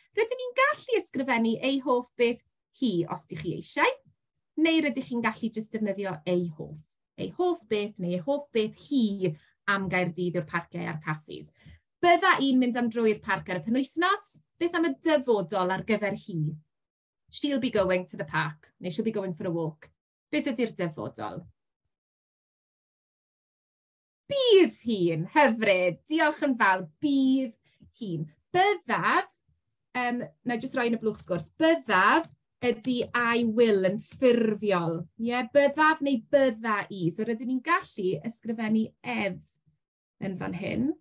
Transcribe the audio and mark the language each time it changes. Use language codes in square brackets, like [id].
[cy] Rydyn ni'n gallu ysgrifennu ei hoff beth hi, os ydych chi eisiau, neu rydych chi'n gallu jyst defnyddio ei hoff. Ei hoff beth neu ei hoff beth hi am Gaerdydd i'r parciau a'r caffis. Bydda i'n mynd am drwy'r parc ar y penwythnos, beth am y dyfodol ar gyfer hi? [en] She'll be going to the park, neu she'll be going for a walk. [cy] Beth ydy'r dyfodol? Bydd hi'n, hyfryd, diolch yn fawr, bydd hi'n. Byddaf, na jyst roi yn y blwch sgwrs, byddaf ydy [en] I will [cy] yn ffurfiol. Ie, yeah, byddaf neu bydda i. So rydyn ni'n gallu ysgrifennu ef yn fan hyn.